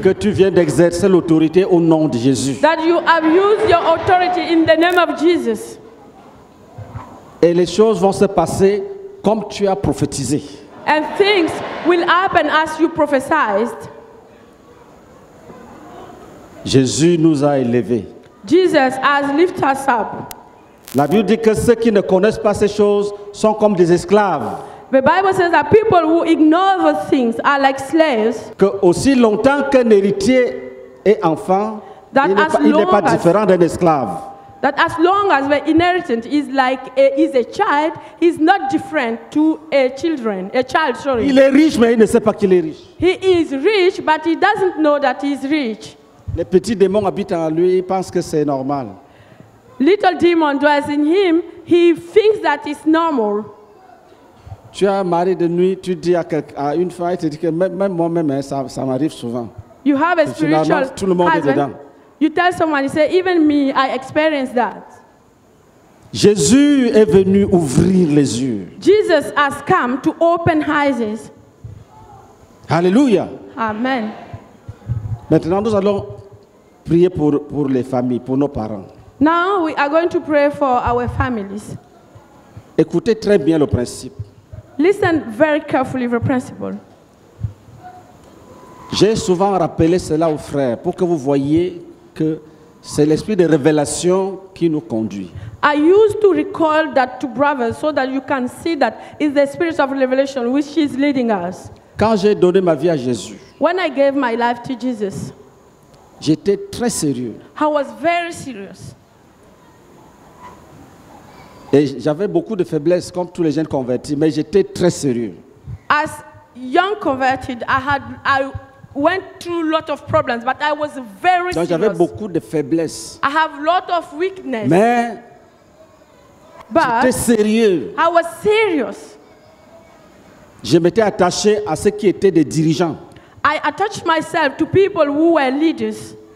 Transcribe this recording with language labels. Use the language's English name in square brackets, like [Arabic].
[French] que tu viens d'exercer l'autorité au nom de Jésus. [English] That you have used your authority in the name of Jesus. [French] Et les choses vont se passer comme tu as prophétisé. [English] And things will happen as you prophesied. [French] Jésus nous a élevés. [English] Jesus has lifted us up. [French] La Bible dit que ceux qui ne connaissent pas ces choses sont comme des esclaves. [English] The Bible says that people who ignore those things are like slaves. [French] Que aussi longtemps qu'un héritier est enfant, il n'est pas différent d'un esclave. [English] That as long as the inheritance is like a, is a child, he's not different to a children, a child, sorry. [French] Il est riche, mais il ne sait pas qu'il est riche. [English] He is rich, but he doesn't know that he's rich. [French] Les petits démons habitent en lui, ils pensent que c'est normal. [English] Little demon dwells in him, he thinks that it's normal. [French] Tu as un mari de nuit, tu dis à une femme, tu dis que même moi-même, ça m'arrive souvent. [English] You have a spiritual husband. [French] Tout le monde est dedans. [English] You tell someone, you say, even me, I experienced that. [French] Jésus est venu ouvrir les yeux. [English] Jesus has come to open eyes. Hallelujah. Amen. [French] Maintenant, nous allons prier pour les familles, pour nos parents. [English] Now we are going to pray for our families. [French] Écoutez très bien le principe. [English] Listen very carefully the principle. [French] J'ai souvent rappelé cela aux frères pour que vous voyez que c'est l'esprit de révélation qui nous conduit. [English] I used to recall that to brothers so that you can see that it's the spirit of revelation which is leading us. [French] Quand j'ai donné ma vie à Jésus, [English] when I gave my life to Jesus, [French] j'étais très sérieux. [English] I was very serious. [French] Et j'avais beaucoup de faiblesses comme tous les jeunes convertis, mais j'étais très sérieux. [English] As young converted, I went through a lot of problems, but I was very serious. [French] Donc j'avais beaucoup de faiblesses. [English] I have a lot of weakness. [French] Mais [English] but [French] j'étais sérieux. [English] I was serious. [French] Je m'étais attaché à ceux qui étaient des dirigeants. [English] I attached myself to people who were leaders.